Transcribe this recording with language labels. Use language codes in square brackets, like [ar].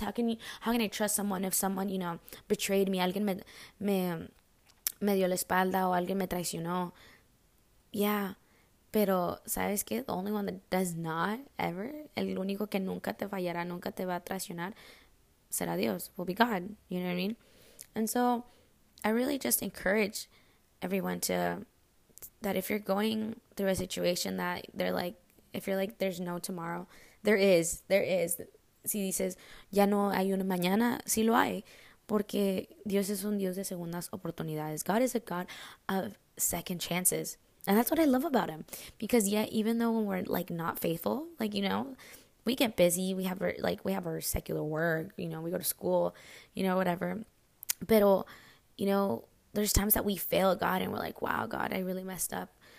[en] How can I trust someone if someone, you know, betrayed me? [es] Alguien me dio la espalda o alguien me traicionó. [en] Yeah. [es] Pero, ¿sabes qué? [en] The only one that does not ever, [es] el único que nunca te fallará, nunca te va a traicionar, será Dios. [en] Will be God. You know what I mean? And so, I really just encourage everyone to, that if you're going through a situation that they're like, if you're like, there's no tomorrow, there is. [es] Si dices, ya no hay una mañana, sí lo hay. Porque Dios es un Dios de segundas oportunidades. [en] God is a God of second chances. And that's what I love about him. Because, yeah, even though when we're, like, not faithful, like, you know, we get busy. We have, our secular work. You know, we go to school, you know, whatever. Pero, you know, there's times that we fail God and we're like, wow, God, I really messed up.